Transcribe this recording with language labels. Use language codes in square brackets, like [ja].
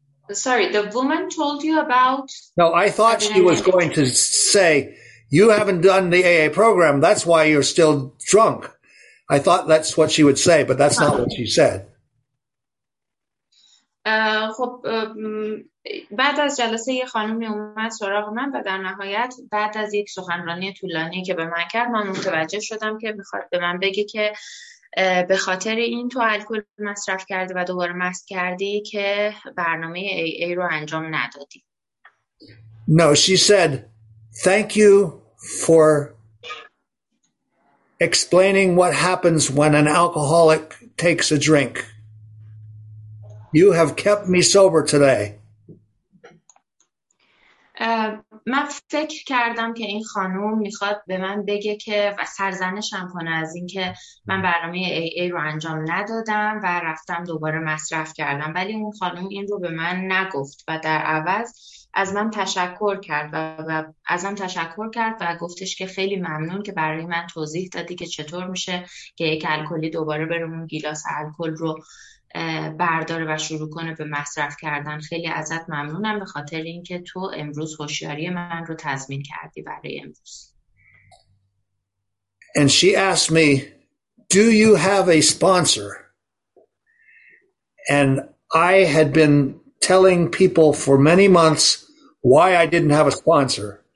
[en] Sorry, the woman told you about... No, I thought she was going to say, you haven't done the AA program, that's why you're still drunk. I thought that's what she would say, but that's not what she said. [fa] خب بعد از جلسه یه خانمی اومد سراغ من و در نهایت بعد از یک سخنرانی طولانی که به من کرد، من متوجه شدم که میخواد به من بگه که به خاطر این تو الکل مصرف کردی و دوباره مست کردی که برنامه AA رو انجام ندادی. [en] No, she said, thank you for explaining what happens when an alcoholic takes a drink. You have kept me sober today. [fa] من فکر کردم که این خانم میخواد به من بگه که و سرزنشم کنه از این که من برنامه AA رو انجام ندادم و رفتم دوباره مصرف کردم، ولی اون خانم این رو به من نگفت و در عوض از من تشکر کرد و گفتش که خیلی ممنون که برای من توضیح دادی که چطور میشه که یک الکلی دوباره بره اون گیلاس الکل رو برداره و شروع کنه به مصرف کردن. خیلی ازت ممنونم به خاطر اینکه تو امروز هوشیاری من رو تضمین کردی برای امروز. [en] And she asked me, "Do you have a sponsor?" And I had been telling people for many months why I didn't have a sponsor.